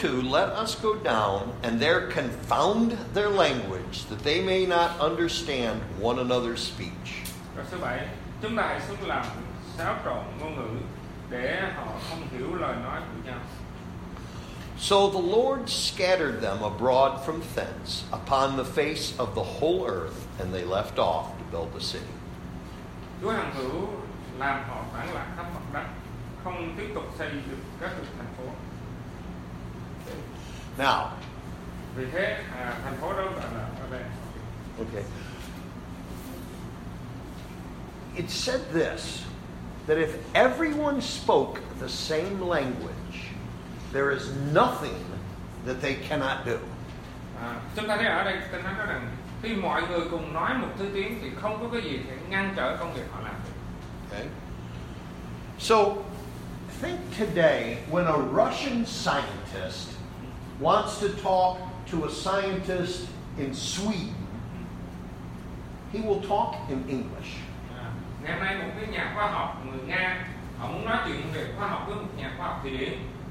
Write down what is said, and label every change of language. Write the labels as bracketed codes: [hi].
[en] Let us go down and there confound their language that they may not understand one another's speech. [vi] Câu số 7. Chúng ta hãy xuống làm xáo trộn ngôn ngữ để họ không hiểu lời nói của nhau. [en] So the Lord scattered them abroad from thence upon the face of the whole earth, and they left off to build the city. [vi] Chúa hằng hữu làm họ phản lạc khắp mặt đất, không tiếp tục xây dựng các thành phố. [en] Now, [vi] vì thế thành phố đó là ở đây. [en] Okay. It said this, that if everyone spoke the same language, there is nothing that they cannot do. [vi] Chúng ta thấy ở đây tôi nói rằng khi mọi người cùng nói một thứ tiếng thì không có cái gì thể ngăn trở công việc họ làm. [en] Okay. So think today when a Russian scientist wants to talk to a scientist in Sweden, he will talk in English. [vi] Ngày hôm nay một cái nhà khoa học người Nga họ muốn nói chuyện về khoa học với một nhà khoa học thụy điển.